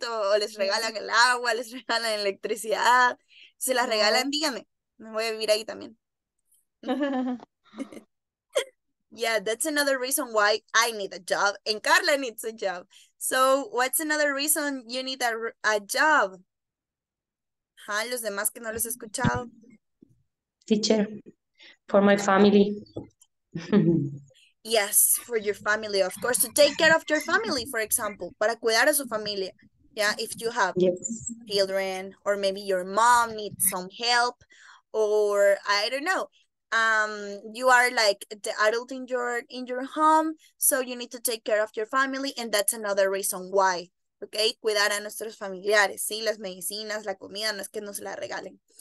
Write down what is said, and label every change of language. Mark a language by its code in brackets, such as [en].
[es] O les regalan el agua, les regalan electricidad. Se las regalan, díganme. Me voy a vivir ahí también. [en] Yeah, that's another reason why I need a job and Carla needs a job. So, what's another reason you need a job? [es] ¿Ah, los demás que no los he escuchado? [en] Teacher, for my family. Yes, for your family, of course, to take care of your family, for example, para cuidar a su familia. Yeah, if you have children, or maybe your mom needs some help, or I don't know. You are like the adult in your home, so you need to take care of your family, and that's another reason why, okay? [es] Cuidar a nuestros familiares, sí, las medicinas, la comida, no es que nos la regalen.